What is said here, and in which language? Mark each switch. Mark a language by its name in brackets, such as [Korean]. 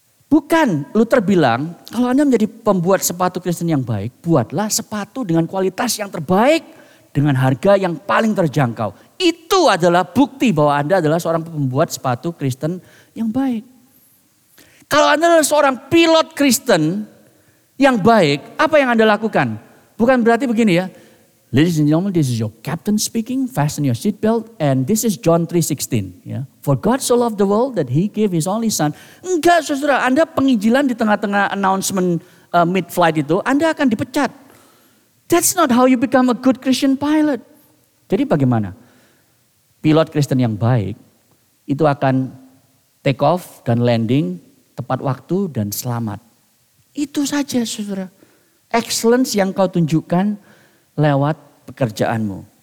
[Indonesian] Bukan, Luther bilang, kalau Anda menjadi pembuat sepatu Kristen yang baik, buatlah sepatu dengan kualitas yang terbaik, dengan harga yang paling terjangkau. Itu adalah bukti bahwa Anda adalah seorang pembuat sepatu Kristen yang baik. Kalau Anda adalah seorang pilot Kristen yang baik, apa yang Anda lakukan? Bukan berarti begini ya. [English] Ladies and gentlemen, this is your captain speaking. Fasten your seatbelt. And this is John 3:16. Yeah. For God so loved the world that he gave his only son. [Indonesian] Enggak, saudara. Anda penginjilan di tengah-tengah [English] announcement mid-flight [Indonesian] itu, Anda akan dipecat. [English] That's not how you become a good Christian pilot. [Indonesian] Jadi bagaimana? Pilot Kristen yang baik itu akan take off dan landing tepat waktu dan selamat. Itu saja, saudara. Excellence yang kau tunjukkan lewat pekerjaanmu.